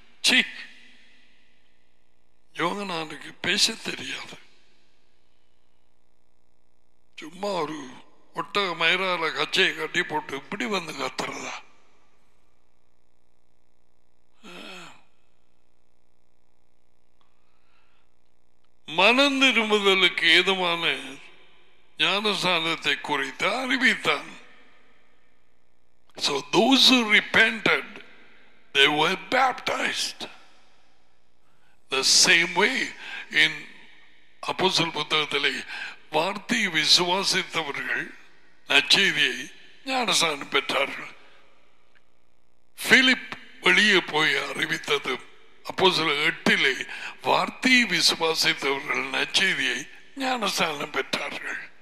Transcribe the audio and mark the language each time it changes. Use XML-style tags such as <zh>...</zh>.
<ta>C யோகனானுக்கு பேச தெரியாது, சும்மா ஒரு ஒட்டக மயிரால கச்சையை கட்டி போட்டு இப்படி வந்து கத்துறதா? மனம் திரும்புதலுக்கு ஏதுவான ஞானஸ்தானத்தை குறித்து அறிவித்தான்.</ta> <en>So those who repented, they were baptized. The same way in Apostle</en> <ta>Puthagathile வார்த்தை விசுவாசித்தவர்கள் நச்செய்தியை ஞானஸ்தானம் பெற்றார்கள். பிலிப் வெளியே போய் அறிவித்தது அப்போஸ்தலர் 8 வார்த்தையை விசுவாசித்தவர்கள் நற்செய்தியை ஞானஸ்தானம் பெற்றார்கள்.</ta>